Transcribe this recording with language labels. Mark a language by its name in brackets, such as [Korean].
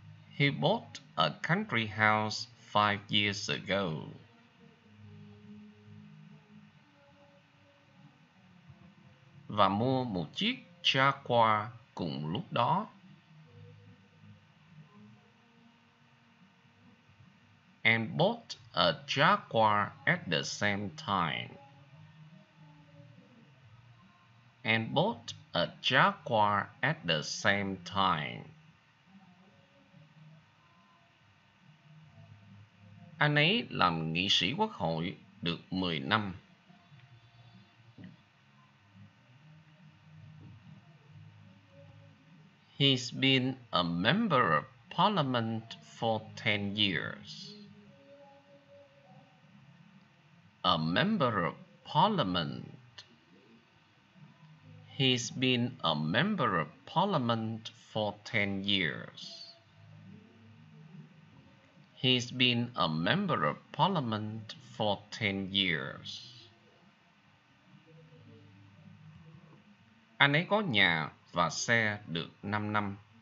[English] He bought a country house 5 years ago. [Vietnamese] Và mua một chiếc Jaguar cùng lúc đó. [English] And bought a Jaguar at the same time. And bought a Jaguar at the same time. [Vietnamese] Anh ấy làm nghị sĩ quốc hội được 10 năm. [English] He's been a member of parliament for 10 years. A member of parliament. He's been a member of parliament for 10 years. He's been a member of parliament for 10 years. [Vietnamese] Anh ấy có nhà và xe được 5 năm.